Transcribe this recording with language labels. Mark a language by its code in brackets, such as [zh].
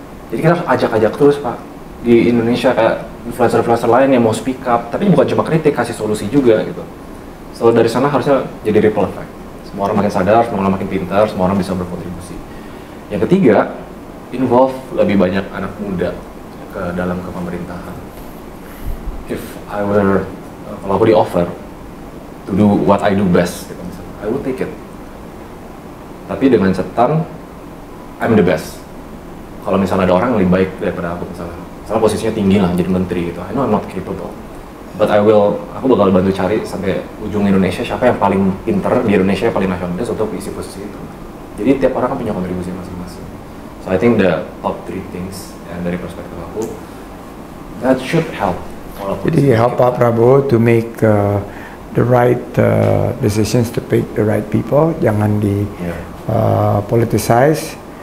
[id] Jadi kita harus ajak-ajak terus Pak di Indonesia kayak influencer-influencer lain yang mau speak up, tapi bukan cuma kritik, kasih solusi juga gitu. So dari sana harusnya jadi ripple effect. Semua orang makin sadar, semua orang makin pintar, semua orang bisa berkontribusi. Yang ketiga, involve lebih banyak anak muda ke dalam kepemerintahan. [en] If I were, [id] kalau aku di offer [en] to do what I do best, [id] gitu, misalnya, [en] I would take it. [id] Tapi dengan catatan, [en] I'm the best. [id] Kalau misalnya ada orang yang lebih baik daripada aku, misalnya posisinya tinggi lah, jadi menteri gitu. [en] I know I'm not capable. But I will, [id] aku bakal bantu cari sampai ujung Indonesia siapa yang paling pinter di Indonesia yang paling nasionalis untuk isi posisi itu. Jadi tiap orang kan punya kontribusi masing-masing. [en] So I think the top three things and [id] dari perspektif aku, [en] that should help. Jadi help Pak Prabowo to make the right decisions to pick the right people, [id] jangan di politicize.